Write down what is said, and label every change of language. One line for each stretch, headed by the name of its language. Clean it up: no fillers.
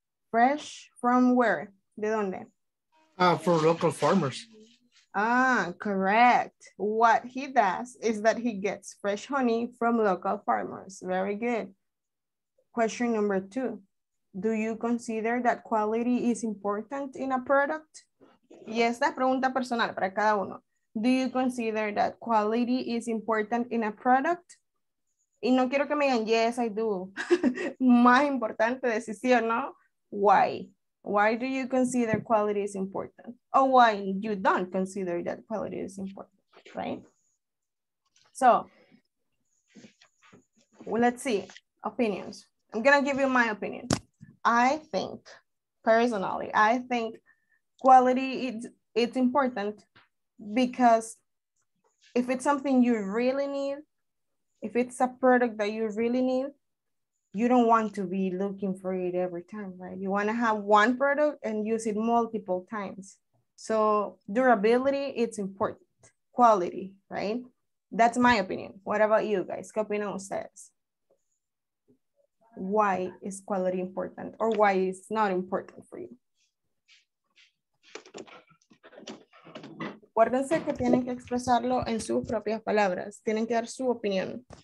English: Fresh from where?
Spanish: De donde?
English: For local farmers. Ah, correct. What he does is that he gets fresh honey from local farmers. Very good. Question number two. Do you consider that quality is important in a product?
Spanish: Y esta es pregunta personal para cada uno.
English: Do you consider that quality is important in a product?
Spanish: Y no quiero que me digan,
English: yes, I do.
Spanish: Más importante decir sí o no.
English: Why? Why do you consider quality is important? Or why you don't consider that quality is important, right? So, well, let's see. Opinions. I'm going to give you my opinion. I think quality it's important. Because if it's something you really need, if it's a product that you really need, you don't want to be looking for it every time, right? You want to have one product and use it multiple times. So durability, it's important. Quality, right? That's my opinion. What about you guys?
Spanish: ¿Qué opinan ustedes?
English: Why is quality important or why is not important for you?
Spanish: Acuérdense que tienen que expresarlo en sus propias palabras. Tienen que dar su opinión.